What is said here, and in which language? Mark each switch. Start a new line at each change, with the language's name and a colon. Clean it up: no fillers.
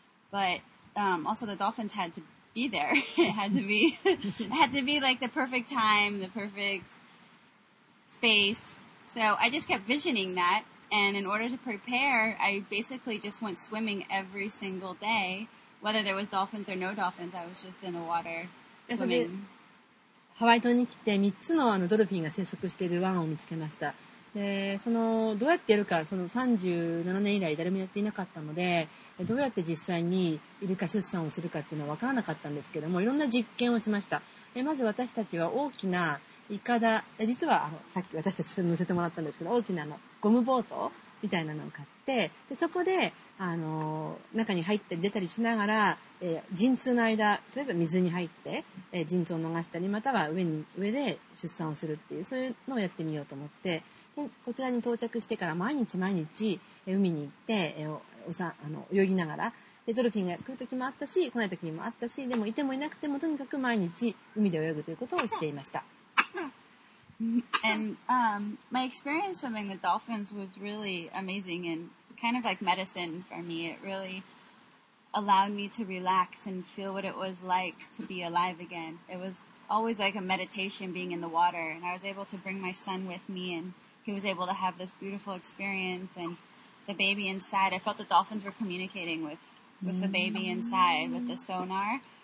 English: But, also the dolphins had to be there. it had to be like the perfect time, the perfect space. So I just kept visioning that, and in order to prepare, I basically just went swimming every single day. Whether there was dolphins or no dolphins, I was just in the water swimming.
Japanese: ハワイ島に来て3つ の, あのドルフィンが生息している湾を見つけました。で、そのどうやってやるか、その37年以来誰もやっていなかったので、どうやって実際にイルカ出産をするかっていうのは分からなかったんですけども、いろんな実験をしました。まず私たちは大きなイカダ、実はあのさっき私たち乗せてもらったんですけど、大きなあのゴムボートみたいなのを買って、でそこで中に入って出たりしながら、陣痛の間、例えば水に入って、陣痛を逃したり、または上で出産をするっていう、そういうのをやってみようと思って、でこちらに到着してから毎日毎日、海に行って、泳ぎながら、でドルフィンが来る時もあったし来ない時もあったし、でもいてもいなくてもとにかく毎日海で泳ぐということをしていました。
English: And my experience swimming with dolphins was really amazing and kind of like medicine for me. It really allowed me to relax and feel what it was like to be alive again. It was always like a meditation being in the water, and I was able to bring my son with me, and he was able to have this beautiful experience, and the baby inside, I felt the dolphins were communicating with the baby inside with the sonar.